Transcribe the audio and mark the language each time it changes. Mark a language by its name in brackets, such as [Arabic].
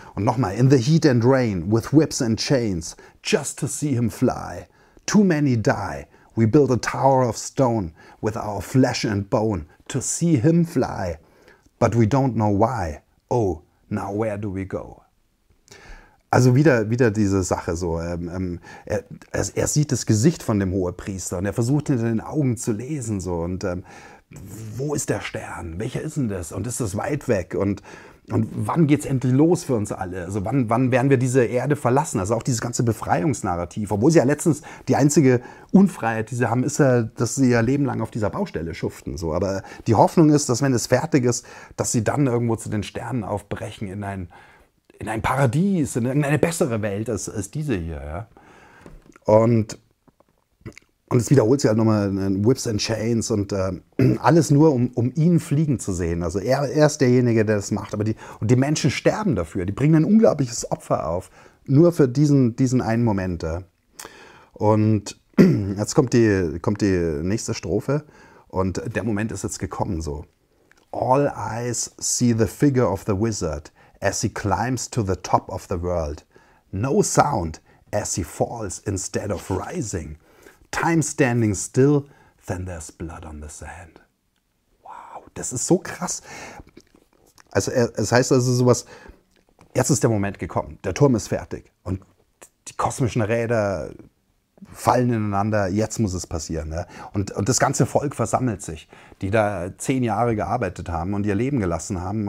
[German] Und nochmal, [English] in the heat and rain, with whips and chains, just to see him fly. Too many die. We build a tower of stone with our flesh and bone to see him fly. But we don't know why. Oh, now where do we go? [German] Also wieder diese Sache so. Er sieht das Gesicht von dem Hohepriester und er versucht hinter den Augen zu lesen so. Und wo ist der Stern? Welcher ist denn das? Und ist das weit weg? Und wann geht es endlich los für uns alle? Also wann werden wir diese Erde verlassen? Also auch dieses ganze Befreiungsnarrativ, obwohl sie ja letztens die einzige Unfreiheit, die sie haben, ist ja, dass sie ihr Leben lang auf dieser Baustelle schuften. So. Aber die Hoffnung ist, dass wenn es fertig ist, dass sie dann irgendwo zu den Sternen aufbrechen, in ein Paradies, in irgendeine bessere Welt als diese hier. Ja. Und es wiederholt sich halt nochmal in [English] Whips and Chains [German] und alles nur, um ihn fliegen zu sehen. Also er ist derjenige, der das macht. Und die Menschen sterben dafür. Die bringen ein unglaubliches Opfer auf. Nur für diesen einen Moment. Und jetzt kommt die nächste Strophe. Und der Moment ist jetzt gekommen so. [English] All eyes see the figure of the wizard as he climbs to the top of the world. No sound as he falls instead of rising. Time standing still, then there's blood on the sand. [German] Wow, das ist so krass. Also es heißt also sowas, jetzt ist der Moment gekommen, der Turm ist fertig und die kosmischen Räder, fallen ineinander, jetzt muss es passieren. Ne? Und das ganze Volk versammelt sich, die da 10 Jahre gearbeitet haben und ihr Leben gelassen haben.